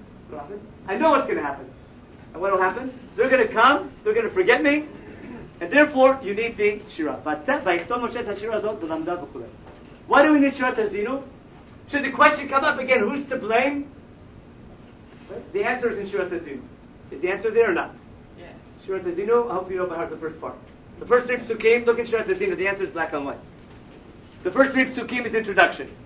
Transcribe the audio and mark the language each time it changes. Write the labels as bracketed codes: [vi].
[en] What happened? I know what's going to happen. And what will happen? They're going to come, they're going to forget me, and therefore you need the שירה. [he] ויכתוב משה את השירה הזאת ולמדה וכו'. [en] Why do we need שירת הזינו? Should the question come up again, who's to blame? The answer is in שירת הזינו. Is the answer there or not? שירת הזינו, I hope you know by heart the first part. The first three psukim, look in שירת הזינו, the answer is black and white. The first three psukim is introduction.